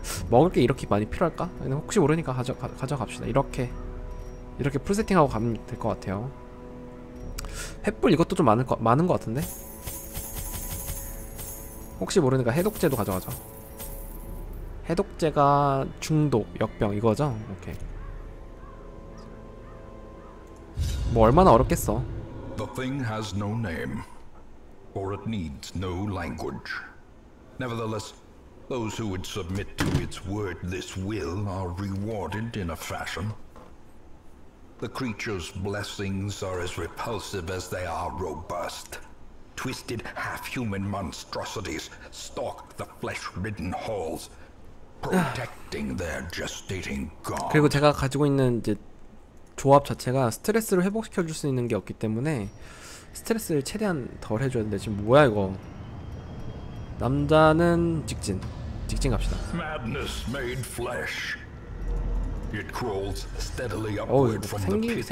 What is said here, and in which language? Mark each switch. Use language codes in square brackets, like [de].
[ko] 먹을 게 이렇게 많이 필요할까? 혹시 모르니까 가져갑시다. 이렇게 풀 세팅하고 가면 될 것 같아요. 횃불 이것도 좀 많은 것 같은데? 혹시 모르니까 해독제도 가져가죠. 해독제가 중독, 역병 이거죠? 오케이. 뭐 얼마나 어렵겠어. [en] The thing has no name, or it needs no language. Nevertheless, those who would submit to its word this will are rewarded in a fashion. The creature's blessings are as repulsive as they are robust. Twisted, half-human monstrosities stalk the flesh-ridden halls, protecting their gestating god. [ko] 그리고 제가 가지고 있는 이제 조합 자체가 스트레스를 회복시켜 줄 수 있는 게 없기 때문에 스트레스를 최대한 덜 해줘야 되는데, 지금 뭐야 이거. 남자는 직진 갑시다. [en] Madness made flesh. It crawls steadily upward from the pit.